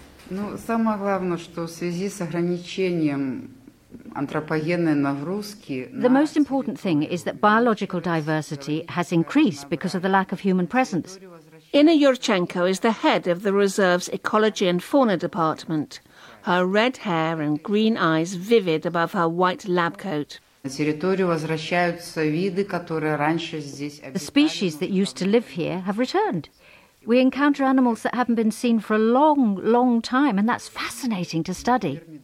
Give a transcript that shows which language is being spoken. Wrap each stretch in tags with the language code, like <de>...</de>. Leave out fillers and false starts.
<ru>Ну, самое главное, что в связи с ограничением антропогенной нагрузки.</ru> <en>The most important thing is that biological diversity has increased because of the lack of human presence. Inna Yurchenko is the head of the reserve's ecology and fauna department. Her red hair and green eyes vivid above her white lab coat.</en> <ru>На территорию возвращаются виды, которые раньше здесь обитали.</ru> <en>The species that used to live here have returned. We encounter animals that haven't been seen for a long, long time, and that's fascinating to study.</en>